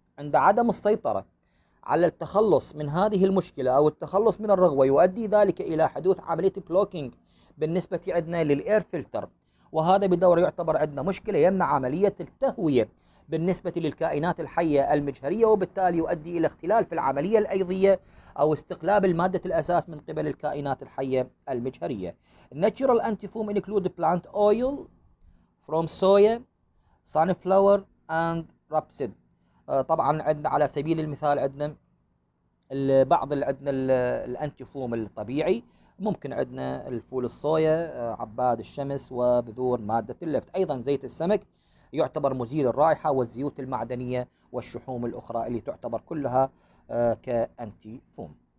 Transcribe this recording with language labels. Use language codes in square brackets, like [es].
[ar] عند عدم السيطرة على التخلص من هذه المشكلة أو التخلص من الرغوة، يؤدي ذلك إلى حدوث عملية blocking بالنسبة عندنا للإير فلتر، وهذا بدور يعتبر عندنا مشكلة يمنع عملية التهوية بالنسبة للكائنات الحية المجهرية، وبالتالي يؤدي إلى اختلال في العملية الأيضية أو استقلاب المادة الأساس من قبل الكائنات الحية المجهرية. [en] Natural antifoam include plant oil from soy, sunflower and rapeseed. [ar] طبعا عندنا على سبيل المثال عندنا بعض عندنا الأنتيفوم الطبيعي، ممكن عندنا الفول الصويا، عباد الشمس، وبذور مادة اللفت، أيضا زيت السمك يعتبر مزيل الرائحة، والزيوت المعدنية والشحوم الأخرى اللي تعتبر كلها كأنتيفوم.